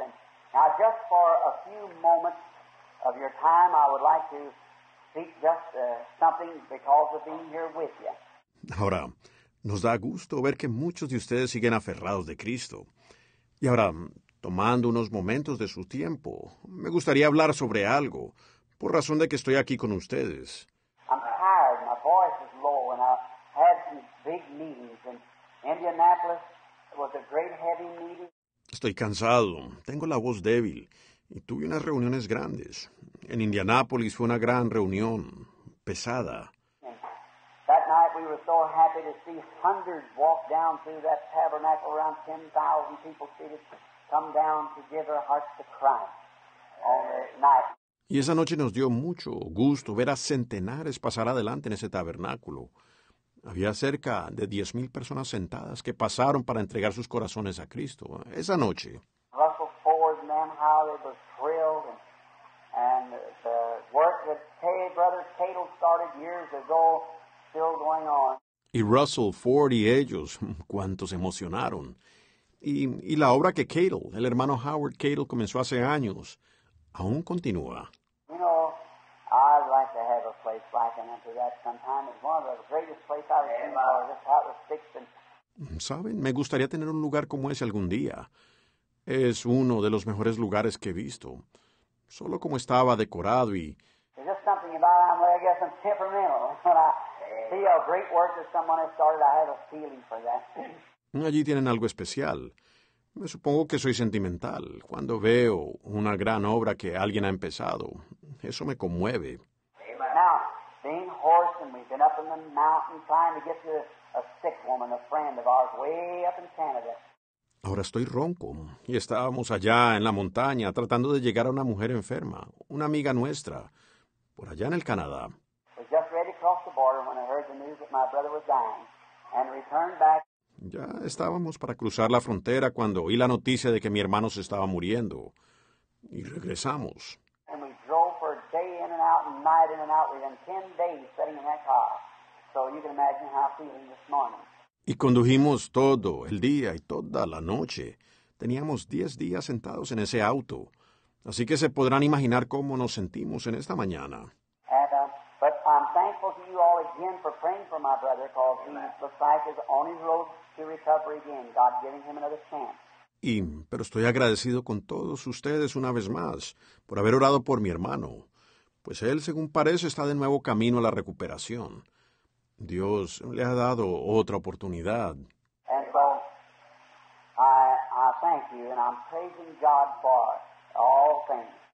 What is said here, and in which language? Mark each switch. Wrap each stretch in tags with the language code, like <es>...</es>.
<en>And now, just for a few moments of your time, I would like to speak just something because of being here with you.</en> <es>Ahora, nos da gusto ver que muchos de ustedes siguen aferrados de Cristo. Y ahora, tomando unos momentos de su tiempo, me gustaría hablar sobre algo, por razón de que estoy aquí con ustedes.</es> <en>I'm tired, my voice is low, and I've had some big meetings. In Indianapolis, it was a great heavy meeting.</en> <es>Estoy cansado, tengo la voz débil, y tuve unas reuniones grandes. En Indianapolis fue una gran reunión, pesada.</es> <en>And that night we were so happy to see hundreds walk down through that tabernacle, around 10,000 people seated. Come down to give their hearts to Christ on the night.</en> <es>Y esa noche nos dio mucho gusto ver a centenares pasar adelante en ese tabernáculo. Había cerca de 10,000 personas sentadas que pasaron para entregar sus corazones a Cristo esa noche.</es> <en>Russell Ford, man, how they were thrilled, and the work that Brother Cato started years ago still going on.</en> <es>Y Russell Ford y ellos, cuántos emocionaron. Y la obra que Cato, el hermano Howard Cato, comenzó hace años, aún continúa.</es> <en>You know, I'd like to have a place like that sometime. It's one of the greatest places I've ever been. This house was fixed and...</en> <es>¿Saben? Me gustaría tener un lugar como ese algún día. Es uno de los mejores lugares que he visto. Solo como estaba decorado y...</es> <en>There's just something about it. I'm like, I guess I'm temperamental. When I see a great work that someone has started, I have a feeling for that.</en> <es>Allí tienen algo especial. Me supongo que soy sentimental. Cuando veo una gran obra que alguien ha empezado, eso me conmueve.</es> <en>Now, being horse and we've been up in the mountain trying to get to a sick woman, a friend of ours, way up in Canada.</en> <es>Ahora estoy ronco y estábamos allá en la montaña tratando de llegar a una mujer enferma, una amiga nuestra, por allá en el Canadá.</es> <en>Was just ready to cross the border when I heard the news that my brother was dying and returned back.</en> <es>Ya estábamos para cruzar la frontera cuando oí la noticia de que mi hermano se estaba muriendo. Y regresamos.</es> <en>And we drove for a day in and out and night in and out. We've been 10 days sitting in that car. So you can imagine how I'm feeling this morning.</en> <es>Y condujimos todo el día y toda la noche. Teníamos 10 días sentados en ese auto. Así que se podrán imaginar cómo nos sentimos en esta mañana.</es> <en>But I'm thankful to you all again for praying for my brother, because he looks like he's on his road to recovery again, God giving him another chance.</en> <es>Pero estoy agradecido con todos ustedes una vez más por haber orado por mi hermano, pues él, según parece, está de nuevo camino a la recuperación. Dios le ha dado otra oportunidad.</es> <en>And so, I thank you, and I'm praising God for all things.</en>